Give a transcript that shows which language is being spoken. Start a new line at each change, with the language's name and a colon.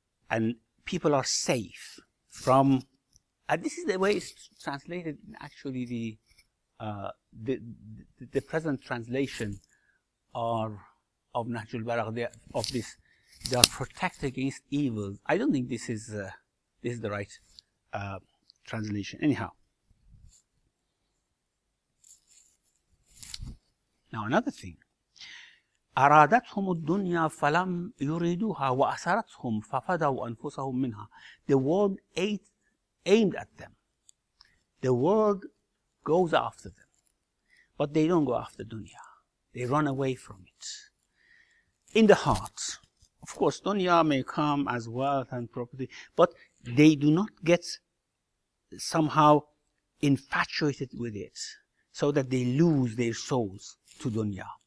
English: And people are safe from, and this is the way it's translated, actually the present translation of Nahjul Balagha, they are protected against evil. I don't think this is the right translation. Anyhow, now another thing:
Arabic: أرادتهم الدنيا فلم يريدوها وأسرتهم ففدوا أنفسهم منها.
English: The world aimed at them. The world goes after them, but they don't go after dunya. They run away from it. In the heart. Of course, dunya may come as wealth and property, but they do not get somehow infatuated with it, so that they lose their souls to dunya.